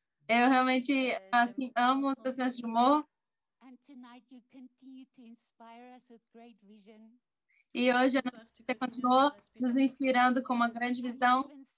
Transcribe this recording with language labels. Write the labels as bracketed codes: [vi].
[pt] Eu realmente assim amo o seu senso de humor. [en] And tonight you continue to inspire us with great vision. [pt] E hoje você continuou nos inspirando com uma grande visão.